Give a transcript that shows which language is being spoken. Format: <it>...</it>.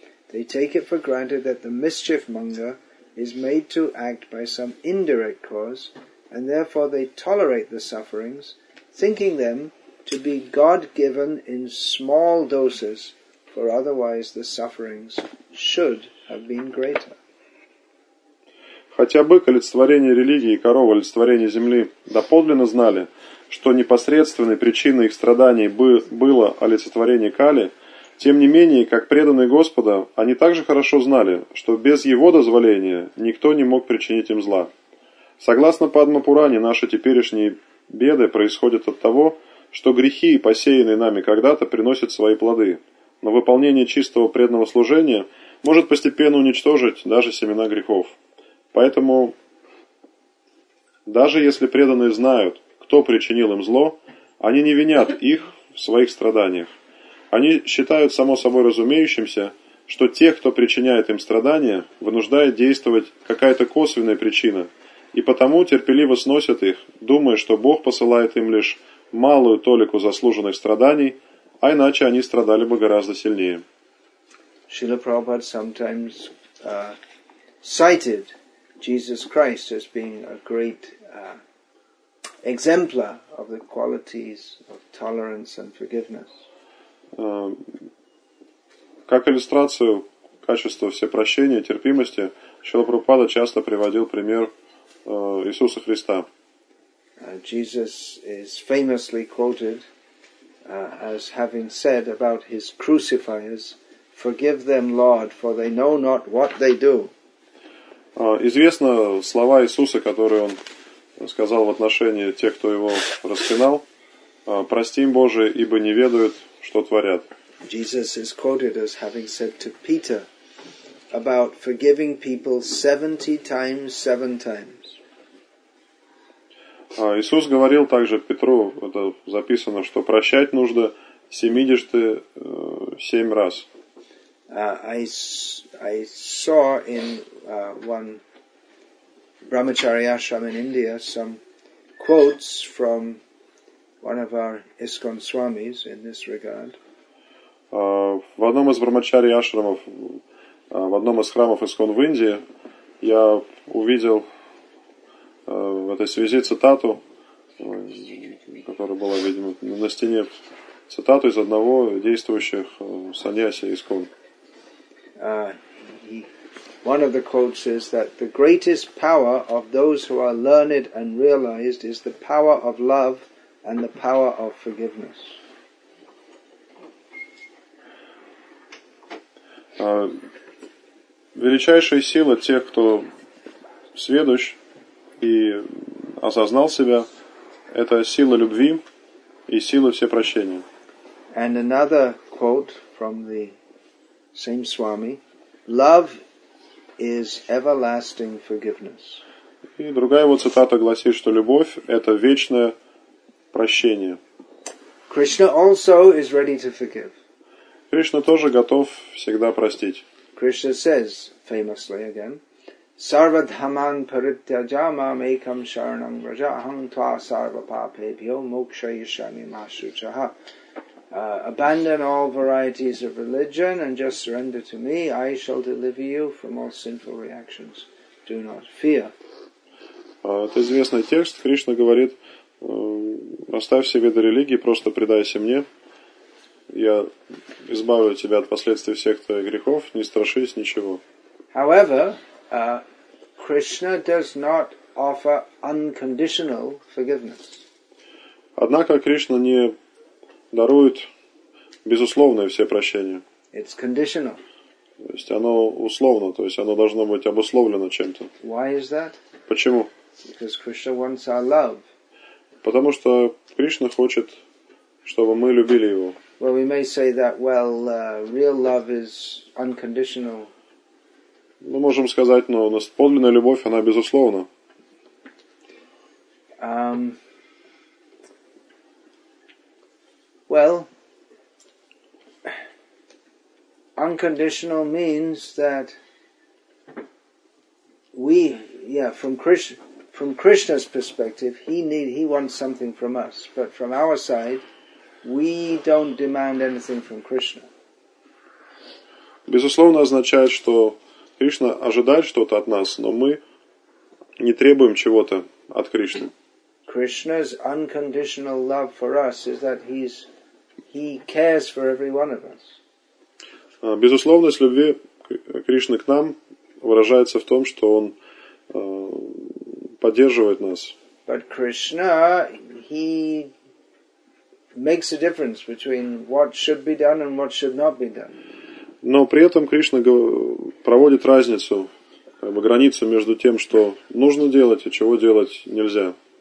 <en>They take it for granted that the mischief monger is made to act by some indirect cause, and therefore they tolerate the sufferings, thinking them to be God-given in small doses, for otherwise the sufferings should have been greater.</en> <ru>Хотя бык – олицетворение религии и корова – олицетворение земли, доподлинно знали, что непосредственной причиной их страданий было олицетворение Кали, тем не менее, как преданные Господа, они также хорошо знали, что без Его дозволения никто не мог причинить им зла. Согласно Падма-пуране, наши теперешние беды происходят от того, что грехи, посеянные нами когда-то, приносят свои плоды, но выполнение чистого преданного служения может постепенно уничтожить даже семена грехов. Поэтому, даже если преданные знают, кто причинил им зло, они не винят их в своих страданиях. Они считают само собой разумеющимся, что те, кто причиняет им страдания, вынуждает действовать какая-то косвенная причина, и потому терпеливо сносят их, думая, что Бог посылает им лишь малую толику заслуженных страданий, а иначе они страдали бы гораздо сильнее.</ru> <en>Шрила Прабхупада sometimes cited Jesus Christ as being a great exemplar of the qualities of tolerance and forgiveness.</en> <ru>Как иллюстрацию качества всепрощения и терпимости, Шрила Прабхупада часто приводил пример Иисуса Христа.</ru> <en>Jesus is famously quoted as having said about his crucifiers, "Forgive them, Lord, for they know not what they do."</en> <ru>Известны слова Иисуса, которые он сказал в отношении тех, кто его распинал: "Прости им, Боже, ибо не ведают, что творят."</ru> <en>Jesus is quoted as having said to Peter about forgiving people 70 times 7 times.</en> <ru>Иисус говорил также Петру, это записано, что прощать нужно 70 7 раз.</ru> <en>I saw in one Brahmachari ashram in India some quotes from one of our ISKCON swamis in this regard.</en> <ru>В одном из Брахмачари ашрамов, в одном из храмов ISKCON в Индии, я увидел в этой связи цитату, которая была, видимо, на стене, цитату из одного действующих саньяси ISKCON.</ru> <en>One of the quotes is that the greatest power of those who are learned and realized is the power of love and the power of forgiveness.</en> <ru>Величайшая сила тех, кто сведущ и осознал себя, это сила любви и сила всепрощения.</ru> <en>And another quote from the same Swami: "Love is everlasting forgiveness."</en> <ru>И другая его цитата гласит, что любовь – это вечное прощение.</ru> <en>Krishna also is ready to forgive.</en> <ru>Кришна тоже готов всегда простить.</ru> <en>Krishna says famously again:</en> <sa>Sarvadhaman parityajamam ekam sharanam raja aham tva sarva papebhyo moksha yishami masuchaha.</sa> <en>Abandon all varieties of religion and just surrender to me. I shall deliver you from all sinful reactions. Do not fear.</en> <ru>Это известный текст. Кришна говорит, оставь все виды религии, просто предайся мне. Я избавлю тебя от последствий всех твоих грехов, не страшись ничего.</ru> <en>However, Krishna does not offer unconditional forgiveness.</en> <ru>Однако Кришна не дарует безусловное все прощение.</ru> <en>It's conditional.</en> <ru>То есть оно условно, то есть оно должно быть обусловлено чем-то.</ru> <en>Why is that?</en> <ru>Почему?</ru> <en>Because Krishna wants our love.</en> <ru>Потому что Кришна хочет, чтобы мы любили его.</ru> <en>Well, we may say that, well, real love is unconditional.</en> <ru>Мы можем сказать, но у нас подлинная любовь, она безусловна.</ru> <en>Well, unconditional means that we, yeah, from Krishna's perspective, he wants something from us. But from our side, we don't demand anything from Krishna.</en> <ru>Безусловно означает, что Кришна ожидает что-то от нас, но мы не требуем чего-то от Кришны.</ru> <en>Krishna's unconditional love for us is that he cares for every one of us.</en> <ru>Безусловность любви Кришны к нам выражается в том, что он поддерживает нас.</ru> <en>But Krishna, he makes a difference between what should be done and what should not be done.</en> <ru>Но при этом Кришна проводит разницу, как бы границу между тем, что нужно делать и чего делать нельзя.</ru>